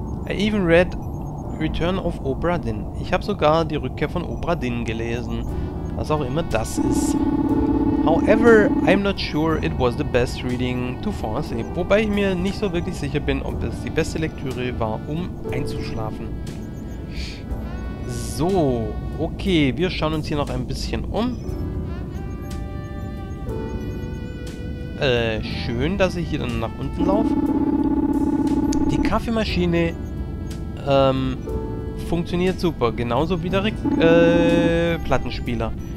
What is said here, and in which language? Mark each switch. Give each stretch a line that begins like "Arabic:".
English: I even read Return of Obra Dinn.
German: Ich habe sogar die Rückkehr von Obra Dinn gelesen. Was auch immer das ist.
English: However, I'm not sure it was the best reading to fall asleep.
German: Wobei ich mir nicht so wirklich sicher bin, ob es die beste Lektüre war, um einzuschlafen. So, okay, wir schauen uns hier noch ein bisschen um. Schön, dass ich hier dann nach unten laufe. Die Kaffeemaschine funktioniert super, genauso wie der Plattenspieler.